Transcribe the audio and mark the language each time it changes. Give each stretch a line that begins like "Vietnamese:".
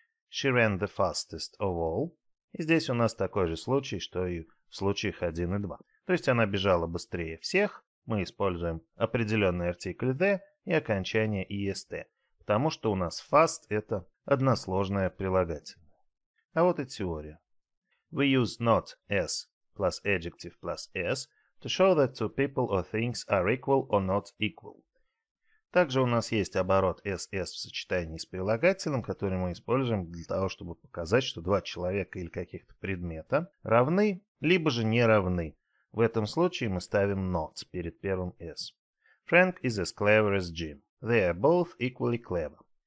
English: She ran the fastest of all.
Russian: И здесь у нас такой же случай, что и в случаях 1 и 2. То есть она бежала быстрее всех. Мы используем определенный артикль the и окончание est. Потому что у нас fast – это односложное прилагательное. А вот и теория.
English: We use not as plus adjective plus as to show that two people or things are equal or not equal.
Russian: Также у нас есть оборот ss в сочетании с прилагательным, который мы используем для того, чтобы показать, что два человека или каких-то предмета равны, либо же не равны. В этом случае мы ставим not перед первым s.
English: Frank is as clever as Jim. They are both equally clever.